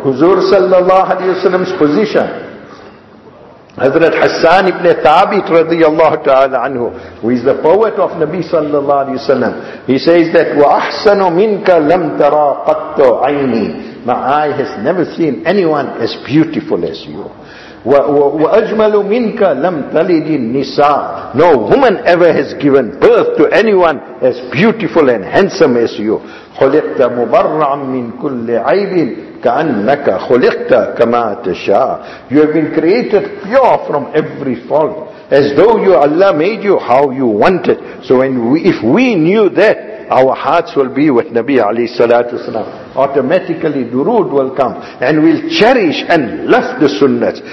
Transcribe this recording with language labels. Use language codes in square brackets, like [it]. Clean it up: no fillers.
[en] Huzur sallallahu alayhi wasalam's position, Hazrat Hassan ibn Thabit radiyallahu ta'ala anhu, who is the poet of Nabi sallallahu alayhi wa sallam, he says that, [ar] وَأَحْسَنُ مِنْكَ لَمْ تَرَى قَطُّ عَيْنِي, [en] my eye has never seen anyone as beautiful as you. [ar] وأجمل منك لم تلد النساء. [en] No woman ever has given birth to anyone as beautiful and handsome as you. [ar] خلقت مبرعا من كل عيب كأنك خلقت كما تشاء. [en] You have been created pure from every fault, as though you, Allah made you how you wanted. So when we, if we knew that, our hearts will be with Nabi alayhi salatu wasalam. Automatically durood will come, and we'll cherish and love the sunnahs.